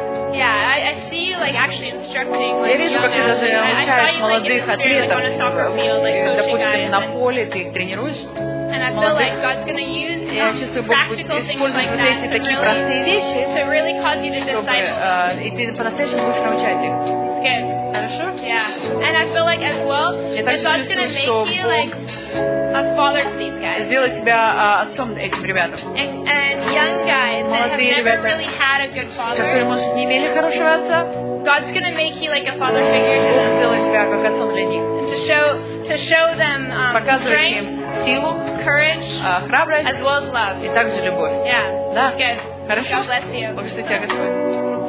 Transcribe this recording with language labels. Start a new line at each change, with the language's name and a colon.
English: Yeah, I see you like actually instructing like
Russian: Я вижу, как ты даже обучаешь молодых атлетов, допустим, на поле ты их тренируешь.
English: And I feel like God's going to use these practical things like that to really cause you to disciple.
Russian: И ты по-настоящему будешь научать их.
English: It's good.
Russian: Хорошо?
English: Yeah. And I feel like as well, God's going to make you like a father to these guys.
Russian: Сделать тебя отцом этим ребятам.
English: And young guys that have never really had a good father.
Russian: Которые, может, не имели хорошего отца.
English: God's going to make you like a father figure to them.
Russian: Сделать тебя как отцом для них.
English: To show them strength,
Russian: силу,
English: courage,
Russian: храбрость,
English: as well as love.
Russian: И также любовь.
English: Yeah.
Russian: Да.
English: Good.
Russian: Хорошо.
English: God bless you.
Russian: Благодарю тебя, Господь.